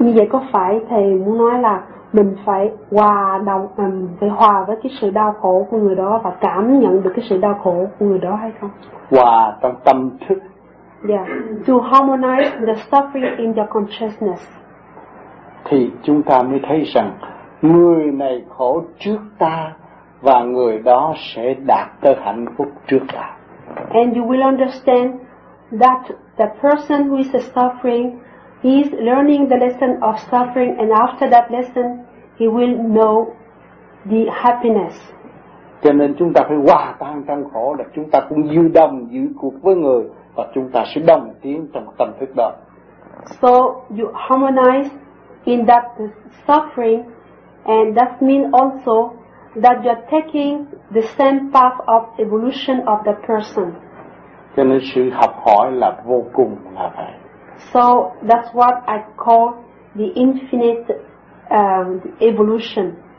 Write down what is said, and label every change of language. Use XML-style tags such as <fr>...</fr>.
<vi>Như vậy có phải thầy muốn nói là mình phải hòa đồng, phải hòa với cái sự đau khổ của người đó và cảm nhận được cái sự đau khổ của người đó hay không? Hòa trong tâm thức.</vi> <en>Yeah, to harmonize the suffering in your consciousness.</en> <vi>Thì chúng ta mới thấy rằng người này khổ trước ta và người đó sẽ đạt tới hạnh phúc trước ta.</vi> <en>And you will understand that the person who is suffering, he is learning the lesson of suffering, and after that lesson, he will know the happiness.</en> <vi>Cho nên chúng ta phải hòa tan trong khổ, là chúng ta cũng dư đồng dư cuộc với người, và chúng ta sẽ đồng tiến trong tâm thức đó.</vi> <en>So you harmonize in that suffering, and that means also that you are taking the same path of evolution of the person.</en> <vi>Cho nên sự học hỏi là vô cùng là vậy.</vi> <en>So that's what I call the infinite evolution.</en>